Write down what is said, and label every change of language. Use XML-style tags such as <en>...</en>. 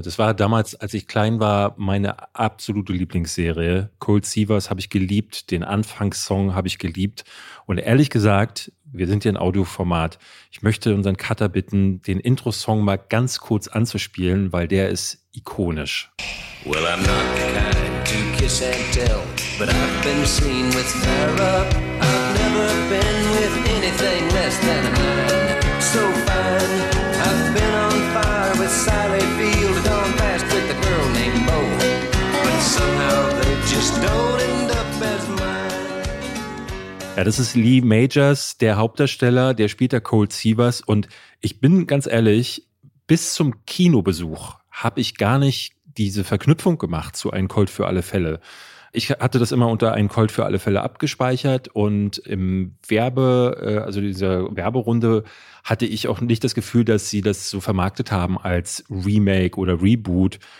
<de>Das war damals, als ich klein war, meine absolute Lieblingsserie. Colt Seavers habe ich geliebt, den Anfangssong habe ich geliebt. Und ehrlich gesagt, wir sind hier in Audioformat. Ich möchte unseren Cutter bitten, den Intro-Song mal ganz kurz anzuspielen, weil der ist ikonisch.</de> <en>Well, I'm not the kind to kiss and tell, but I've been seen with her up. I've never been with anything less than a man so fine. I've been on fire with Sally Field, gone fast with a girl named Bo, but somehow they just don't end up as mine.</en> <de>Ja, das ist Lee Majors, der Hauptdarsteller, der spielt da Cole Sievers. Und ich bin ganz ehrlich, bis zum Kinobesuch habe ich gar nicht diese Verknüpfung gemacht zu Ein Colt für alle Fälle. Ich hatte das immer unter Ein Colt für alle Fälle abgespeichert und im also dieser Werberunde hatte ich auch nicht das Gefühl, dass sie das so vermarktet haben als Remake oder Reboot.</de>